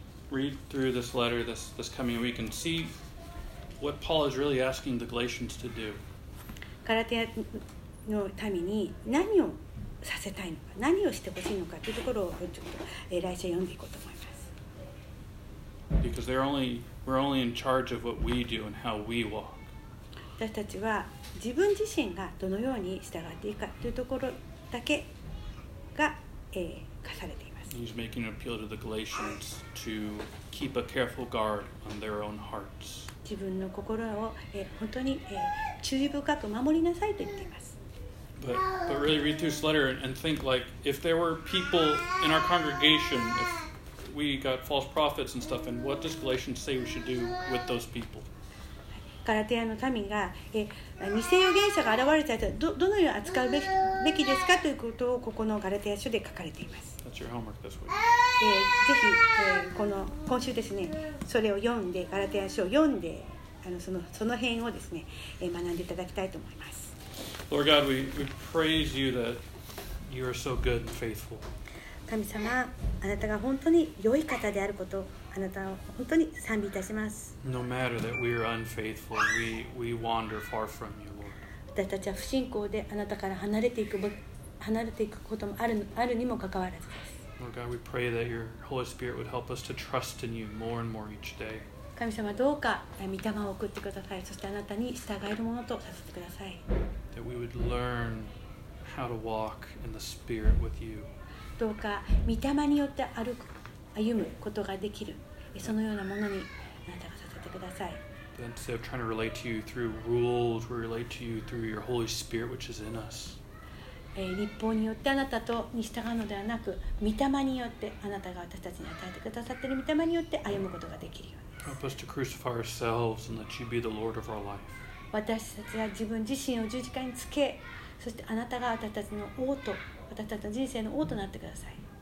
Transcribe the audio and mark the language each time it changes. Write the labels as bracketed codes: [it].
[en] Read through this letter this coming week and see what Paul is really asking the Galatians to do. [ja] ガラティアのために何をさせたいのか、何をしてほしいのかというところをちょっと来週読んでいこうと思います。 [en] Because we're only in charge of what we do and how we walk. [ja] 私たちは自分自身がどのように従っていくかというところだけが、課されています。 [en] He's making an appeal to the Galatians to keep a careful guard on their own hearts. [ja] 自分の心を本当に注意深く守りなさいと言っています。 [en] But really read through this letter and think like if there were people in our congregation, if we got false prophets and stuff, and what does Galatians say we should do with those people? [ja] ガラテヤの民が偽預言者が現れたらどのように扱うべきですかということをここのガラテヤ書で書かれています。 [en] Your homework this week. [ja] ぜひ、この今週ですね、それを読んで、ガラテヤ書を読んで、その辺をですね、学んでいただきたいと思います。 [en] Lord God, we praise you that you are so good and faithful. [ja] 神様、あなたが本当に良い方であること、あなたを本当に賛美いたします。 [en] No matter that we are unfaithful, we wander far from you, Lord. [ja] 私たちは不信仰であなたから離れていく離れていくこともあるにもかかわらずです。 [en] Lord God, we pray that your Holy Spirit would help us to trust in you more and more each day. [ja] 神様どうか御霊を送ってください。そしてあなたに従えるものとさせてください。 [en] That we would learn how to walk in the Spirit with you. [ja] どうか御霊によって歩むことができる。そのようなものにあなたがさせてください。 [en] Then instead of trying to relate to you through rules, we relate to you through your Holy Spirit which is in us. [ja] 立法によってあなたとに従うのではなく、御霊によってあなたが私たちに与えてくださっている御霊によって歩むことができるようです。 [en] Help us to crucify ourselves and let you be the Lord of our life. [ja] 私たちは自分自身を十字架につけ、そしてあなたが私たちの王と、私たちの人生の王となってください。